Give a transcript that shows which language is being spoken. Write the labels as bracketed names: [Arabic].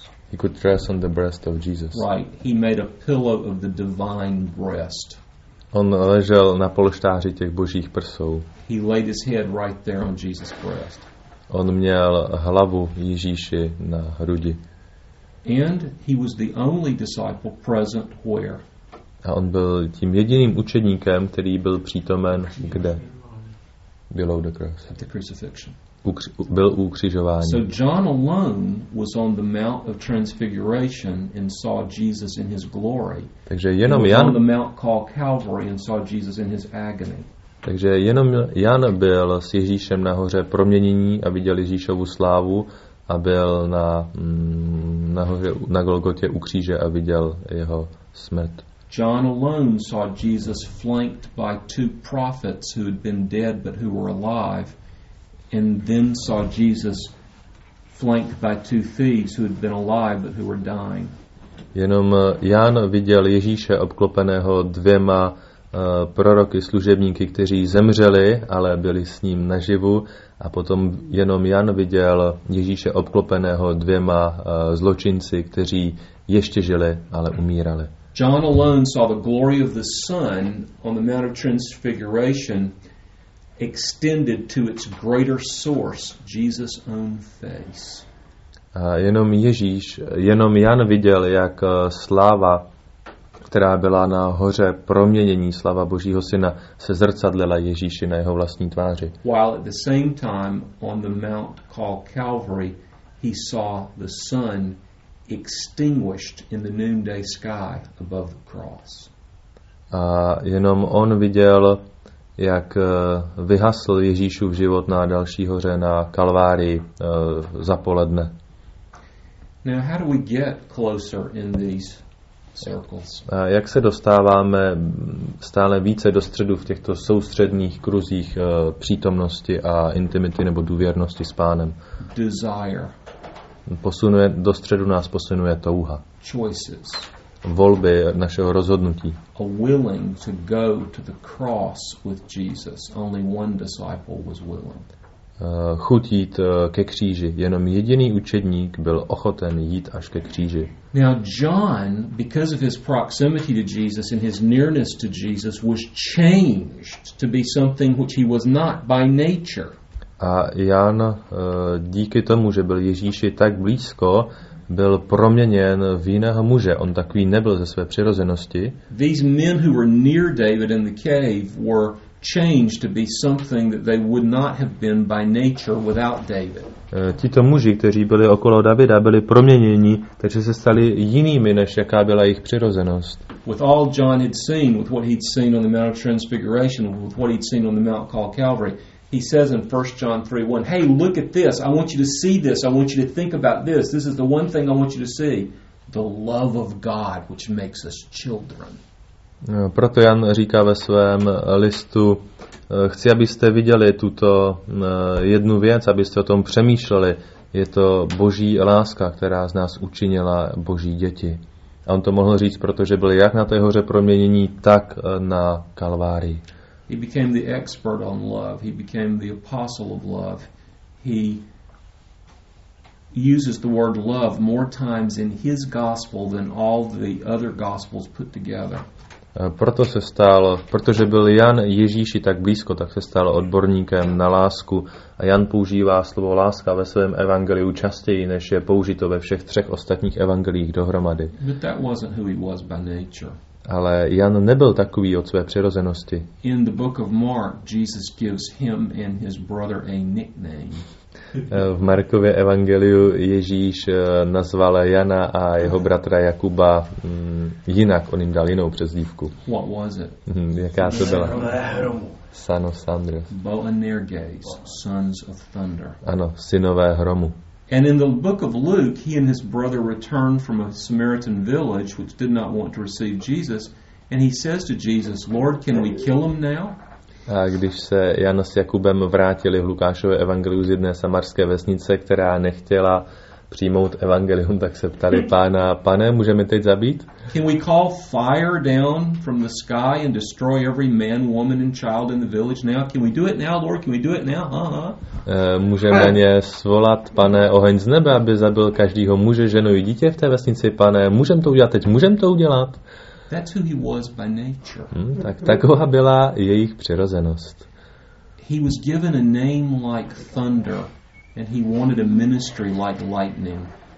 [English] He could dress on the breast of Jesus. Right. He made a pillow of the divine breast. [Czech] On ležel na polštáři těch božích prsou. [English] He laid his head right there on Jesus' breast. [Czech] On měl hlavu Ježíši na hrudi. [English] And he was the only disciple present where? [Czech] A on byl tím jediným učedníkem, který byl přítomen kde? [English] Below the cross. At the crucifixion. [Czech] Byl u ukřižování. [English] So John alone was on the Mount of Transfiguration and saw Jesus in his glory. [Czech] Takže jenom Jan. [English] On the Mount called Calvary and saw Jesus in his agony. [Czech] Takže jenom Jan byl s Ježíšem nahoře proměnění a viděl Ježíšovu slávu a byl na nahoře na Golgotě u kříže a viděl jeho smrt. [English] John alone saw Jesus flanked by two prophets who had been dead but who were alive. And then saw Jesus flanked by two thieves who had been alive but who were dying. [Czech] Jenom Jan viděl Ježíše obklopeného dvěma proroky, služebníky, kteří zemřeli, ale byli s ním naživu. A potom jenom Jan viděl Ježíše obklopeného dvěma zločinci, kteří ještě žili, ale umírali. [English] John alone saw the glory of the Son on the Mount of Transfiguration extended to its greater source, Jesus' own face. [Czech] A jenom Ježíš, jenom Jan viděl, jak sláva, která byla na hoře proměnění, slava Božího Syna, se zrcadlila Ježíši na jeho vlastní tváři. [English] While at the same time on the mount called Calvary, he saw the sun extinguished in the noonday sky above the cross. [Czech] A jenom on viděl, jak vyhasl Ježíšův život na další hoře na Kalvárii za poledne. [English] Now, how do we get closer in these circles? [Czech] A jak se dostáváme stále více do středu v těchto soustředních kruzích přítomnosti a intimity nebo důvěrnosti s Pánem? [English] Desire. [Czech] Posunuje, do středu nás posunuje touha. [English] Choices. [Czech] Volby našeho rozhodnutí. [English] A willing to go to the cross with Jesus. Only one disciple was willing. [Czech] Chuť jít ke kříži. Jenom jediný učedník byl ochoten jít až ke kříži. [English] Now John, because of his proximity to Jesus and his nearness to Jesus, was changed to be something which he was not by nature. [Czech] A Jan, díky tomu, že byl Ježíši tak blízko, byl proměněn v jiného muže. On takový nebyl ze své přirozenosti. [English] These men who were near David in the cave were changed to be something that they would not have been by nature without David. [Czech] Tito muži, kteří byli okolo Davida, byli proměněni, takže se stali jinými, než jaká byla jejich přirozenost. [English] With all John had seen, with what he'd seen on the Mount of Transfiguration, with what he'd seen on the Mount called Calvary, he says in 1 John 3:1, "Hey, look at this. I want you to see this. I want you to think about this. This is the one thing I want you to see: the love of God, which makes us children." [Czech] No, proto Jan říká ve svém listu: "Chci, abyste viděli tuto jednu věc, abyste o tom přemýšleli. Je to Boží láska, která z nás učinila Boží děti." A on to mohl říct, protože byl jak na té hoře proměnění, tak na Kalvárii. [English] He became the expert on love. He became the apostle of love. He uses the word love more times in his gospel than all the other gospels put together. [Czech] Proto se stal, protože byl Jan Ježíši tak blízko, tak se stal odborníkem na lásku. A Jan používá slovo láska ve svém evangeliu častěji, než je použito ve všech třech ostatních evangeliích dohromady. [English] But that wasn't who he was by nature. [Czech] Ale Jan nebyl takový od své přirozenosti. [English] In the book of Mark, Jesus gives him and his brother a nickname. [Czech] V Markově evangeliu Ježíš nazval Jana a jeho bratra Jakuba jinak, on jim dal jinou přezdívku. [English] What was it? [Czech] Jaká to byla? [English] Son of Sandra. Boanerges, sons of thunder. [Czech] Ano, synové hromu. [English] And in the book of Luke, he and his brother returned from a Samaritan village which did not want to receive Jesus, and he says to Jesus, Lord, can we kill him now? [Czech] A když se Jan s Jakubem vrátili v Lukášově evangeliu z jedné samarské vesnice, která nechtěla přijmout evangelium, tak se ptali pána, pane, můžeme teď zabít? [English] Can we call fire down from the sky and destroy every man, woman and child in the village now? Can we do it now, Lord? Can we do it now? [Czech] Můžeme na ně svolat, pane, oheň z nebe, aby zabil každýho muže, ženu i dítě v té vesnici, pane, můžeme to udělat teď, můžeme to udělat? [English] That's who he was by nature. [Czech] Tak taková byla jejich přirozenost. [English] He was given a name like thunder and he wanted a ministry like lightning.